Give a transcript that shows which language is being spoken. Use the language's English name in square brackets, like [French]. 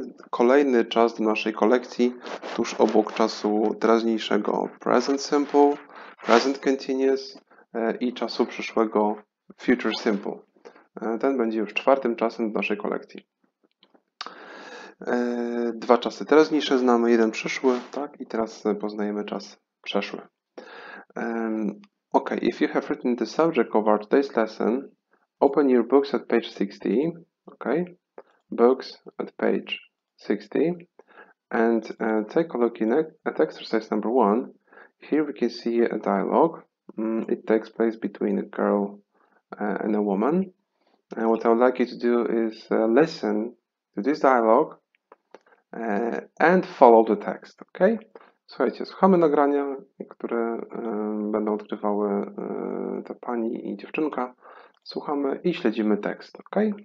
[Polish] Kolejny czas do naszej kolekcji, tuż obok czasu teraźniejszego present simple, present continuous i czasu przyszłego future simple. Ten będzie już czwartym czasem do naszej kolekcji. Dwa czasy teraźniejsze znamy, jeden przyszły, tak? I teraz poznajemy czas przeszły. [English] Okay, if you have written the subject of our today's lesson, open your books at page 60, okay, books at page 60, and take a look in at exercise number one. Here we can see a dialogue. It takes place between a girl and a woman. And what I would like you to do is listen to this dialogue and follow the text, okay? [Polish] Słuchajcie, słuchamy nagrania, które będą odgrywały ta pani i dziewczynka. Słuchamy i śledzimy tekst, ok?